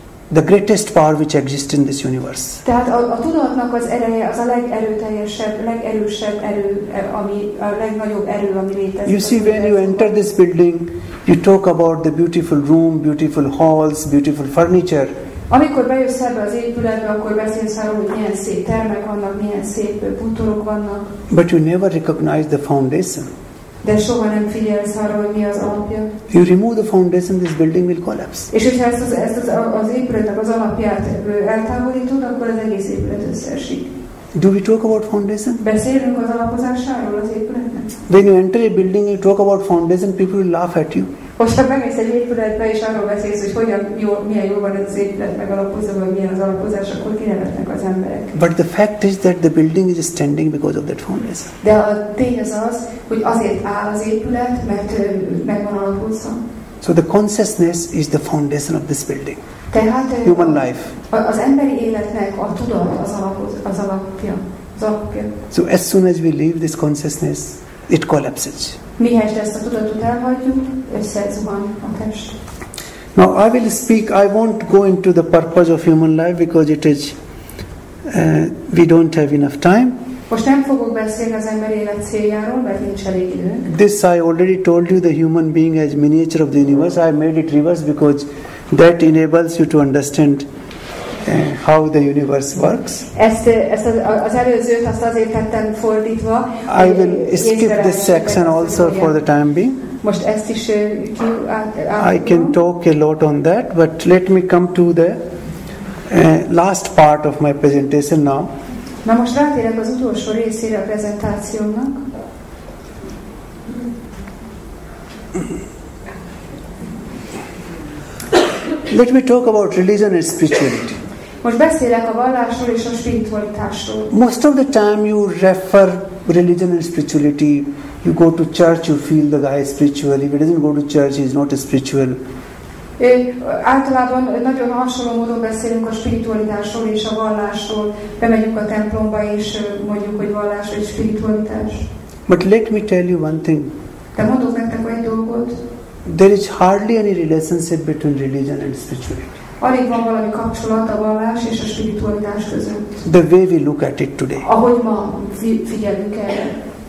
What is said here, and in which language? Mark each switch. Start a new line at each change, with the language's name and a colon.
English: the greatest power which exists in this universe.
Hungarian: Tehát a tudatnak az ereje az a legerőteljesebb, legerősebb erő, ami a legnagyobb erő, ami létezik.
English: You see, when you enter this building, you talk about the beautiful room, beautiful halls, beautiful furniture.
Hungarian: Amikor bejössz ebbe az épületbe, akkor beszélsz arról, hogy milyen szép termek vannak, milyen szép bútorok vannak.
English: But you never recognize the foundation.
Hungarian: De soha nem figyelsz arra, hogy mi az alapja.
English: You remove the foundation, this building will collapse.
Hungarian: És hogyha ezt az épületnek az alapját eltávolítod, akkor az egész épület összeesik.
English: Do we talk about foundation?
Hungarian: Beszélünk az alapozásáról az épületnek.
English: When you enter a building, you talk about foundation, people will laugh at you.
Hungarian: Hogyha bemész egy épületbe, és arról beszélsz, hogy hogyan jó, milyen jó van az épület megalapozva, vagy milyen az alapozás, akkor kinevetnek az emberek.
English: But the fact is that the building is standing because of that foundation.
Hungarian: De a tény az, hogy azért áll az épület, mert megvan alapozva.
English: So the consciousness is the foundation of this building.
Hungarian: Tehát
English: human life.
Hungarian: Az emberi életnek a tudat az alapja.
English: So as soon as we leave this consciousness, it collapses.
Hungarian: Mihez ezt a tudatot elhagyjuk, összezuhan a test.
English: Now I will speak, I won't go into the purpose of human life because it is, we don't have enough time.
Hungarian: Most nem fogok beszélni az emberi élet céljáról, mert nincs elég időnk.
English: This I already told you, the human being as miniature of the universe. I made it reverse because that enables you to understand how the universe works.
Hungarian: Ezt az előzőt azt azért tettem fordítva.
English: I will skip this section also for the time being.
Hungarian: Most ezt is
English: I can talk a lot on that, but let me come to the last part of my presentation now.
Hungarian: Na most rátérek az utolsó részére a prezentációnak.
English: Let me talk about religion and spirituality.
Hungarian: Most beszélek a vallásról és a spiritualitásról.
English: Most of the time you refer religion and spirituality. You go to church, you feel the guy is spiritual. If he doesn't go to church, he is not spiritual.
Hungarian: Általában nagyon hasonló módon beszélünk a spiritualitásról és a vallásról. Bemegyünk a templomba és mondjuk, hogy vallás vagy spiritualitás.
English: But let me tell you one thing.
Hungarian: De mondok nektek egy dolgot.
English: There is hardly any relationship between religion and spirituality.
Hungarian: Alig van valami kapcsolat a vallás és a spiritualitás között.
English: The way we look at it today.
Hungarian: Ahogy ma figyelünk erre.